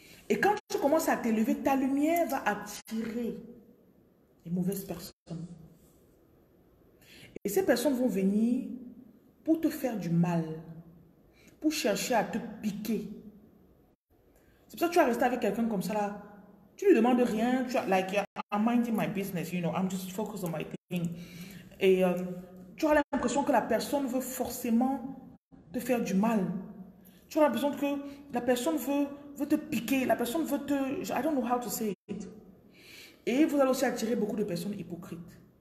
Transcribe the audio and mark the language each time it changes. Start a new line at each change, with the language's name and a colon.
French: Et quand tu commences à t'élever, ta lumière va attirer les mauvaises personnes. Et ces personnes vont venir pour te faire du mal, pour chercher à te piquer. C'est pour ça que tu as resté avec quelqu'un comme ça là. Tu ne lui demandes rien, tu as,
English: like, I'm minding my business, you know, I'm just focused on my thing.
French: Et tu as l'impression que la personne veut forcément te faire du mal. Tu as l'impression que la personne veut te piquer, la personne veut te.
English: I don't know how to say it.
French: Et vous allez aussi attirer beaucoup de personnes hypocrites.